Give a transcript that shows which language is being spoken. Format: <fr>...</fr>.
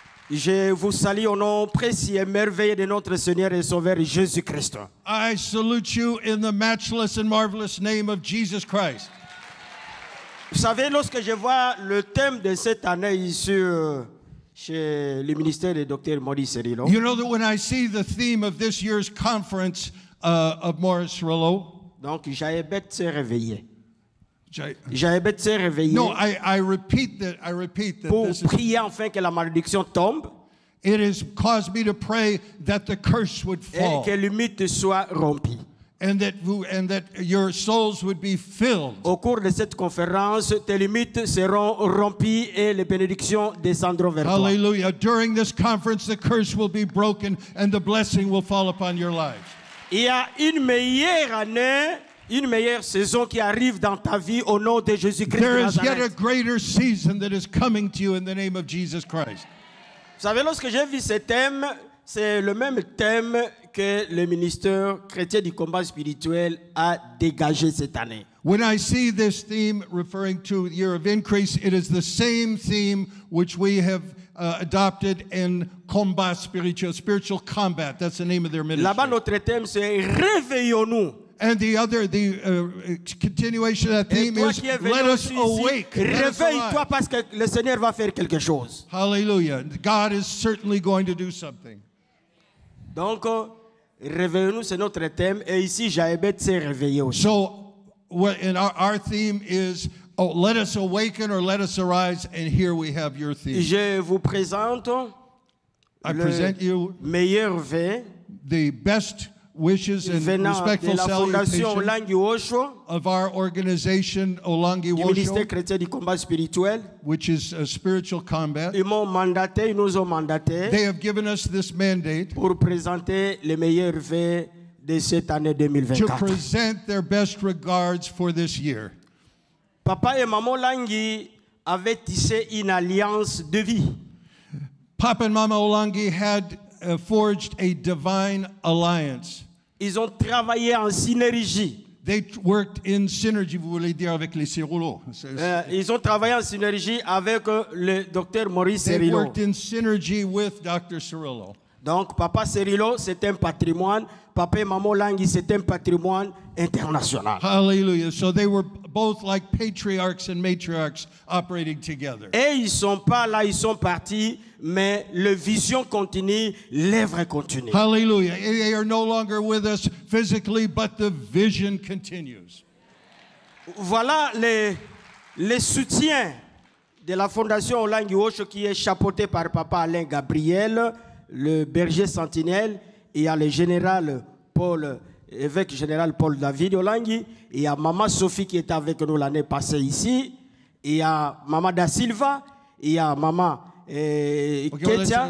<fr>Je vous salue au nom précis et merveilleux de notre Seigneur et Sauveur Jésus-Christ.</fr> <en>I salute you in the matchless and marvelous name of Jesus Christ.</en> <fr>Vous savez, lorsque je vois le thème de cette année ici chez le ministère de Dr. Morris Cerullo.</fr> <en>You know that when I see the theme of this year's conference of Morris Cerullo.</en> <fr>Donc, Jaébet s'est réveillé. J'avais été réveillé.</fr> <en>No, I repeat that</en> <fr>pour prier enfin que la malédiction tombe.</fr> <en>It has caused me to pray that the curse would fall.</en> <fr>Et que les limites soient rompues.</fr> <en>And that your souls would be filled.</en> <fr>Au cours de cette conférence, tes limites seront rompues et les bénédictions descendront vers toi.</fr> <en>Hallelujah. During this conference, the curse will be broken and the blessing will fall upon your lives.</en> <fr>Il y a une meilleure année. Une meilleure saison qui arrive dans ta vie au nom de Jésus-Christ.</fr> <en>There is yet a greater season that is coming to you in the name of Jesus Christ.</en> <fr>Vous savez, lorsque j'ai vu ce thème, c'est le même thème que le ministère chrétien du combat spirituel a dégagé cette année.</fr> <en>When I see this theme referring to the year of increase, it is the same theme which we have adopted in combat spiritual, spiritual combat. That's the name of their ministry.</en> <fr>Là-bas, notre thème, c'est réveillons-nous.</fr> <en>And the continuation of that theme is, let us awake.</en> <fr>Réveille-toi parce que le Seigneur va faire quelque chose.</fr> <en>Hallelujah. God is certainly going to do something.</en> <fr>Donc, réveillons-nous, c'est notre thème. Et ici, Jaébet s'est réveillé aussi.</fr> <en>So, our theme is, let us awaken or let us arise. And here we have your theme.</en> <fr>Je vous présente le meilleur vœu.</fr> <en>The best wishes and respectful salutations of our organization, Olangi Osho, which is a spiritual combat.</en> <fr>Ils m'ont mandaté, ils nous ont mandaté,</fr> <en>they have given us this mandate</en> <fr>pour présenter les meilleurs vœux de cette année 2024.</fr> <en>To present their best regards for this year.</en> <fr>Papa et Maman Olangi avaient tissé une alliance de vie.</fr> <en>Papa and Mama Olangi had forged a divine alliance.</en> <fr>Ils ont travaillé en synergie.</fr> <en>They worked in synergy,</en> <fr>vous voulez dire, avec les Cerullo. Ils ont travaillé en synergie avec le docteur Maurice</fr> <en>Cerullo. They worked in synergy with Dr. Cerullo.</en> <fr>Donc, Papa Cerullo, c'est un patrimoine. Papa et Maman Langui, c'est un patrimoine international.</fr> <en>Hallelujah. So they were both like patriarchs and matriarchs operating together.</en> <fr>Et ils sont pas là, ils sont partis, mais le vision continue, l'œuvre continue.</fr> <en>Hallelujah. They are no longer with us physically, but the vision continues.</en> <fr>Voilà les soutiens de la Fondation Langui Osho qui est chapeautée par Papa Alain Gabriel, le berger sentinelle, et à le général Paul, évêque général Paul David Olangi, et à Maman Sophie qui était avec nous l'année passée ici, et à Maman Da Silva, et à Maman Ketia.</fr>